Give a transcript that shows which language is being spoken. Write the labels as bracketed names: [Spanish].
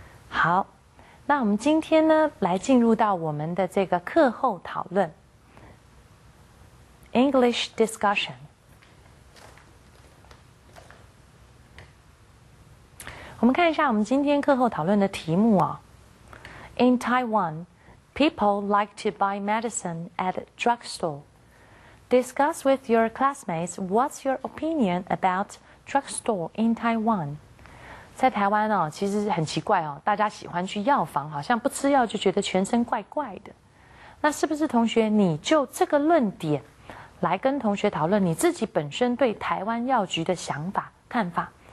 [Chinese] 好，那我们今天呢，来进入到我们的这个课后讨论 ， [English] English discussion。 [Chinese] 我们看一下我们今天课后讨论的题目哦。 [English] In Taiwan, people like to buy medicine at a drugstore. Discuss with your classmates what's your opinion about drugstore in Taiwan. [Chinese] 在台湾哦，其实很奇怪哦，大家喜欢去药房，好像不吃药就觉得全身怪怪的。那是不是同学，你就这个论点来跟同学讨论你自己本身对台湾药局的想法看法？